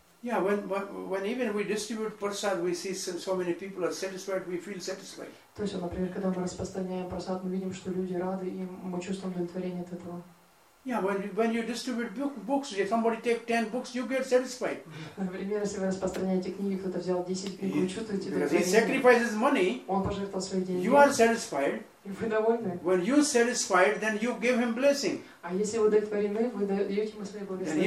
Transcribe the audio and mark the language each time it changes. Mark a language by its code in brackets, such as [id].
[en] Yeah, when even we distribute prasad, we see so many people are satisfied, we feel satisfied. [ru] То есть, например, когда мы распространяем прасад, мы видим, что люди рады, и мы чувствуем удовлетворение от этого. [en] Yeah, when you distribute books, if somebody take 10 books, you get satisfied. [ru] Например, если вы распространяете книги, кто-то взял 10 книг, вы чувствуете удовлетворение. [en] He sacrifices money. [ru] Он пожертвовал свои деньги. [en] You are satisfied. [ru] И вы довольны. [en] When you satisfied, then you give him blessing. [ru] А если вы удовлетворены, вы даете ему свои благословения.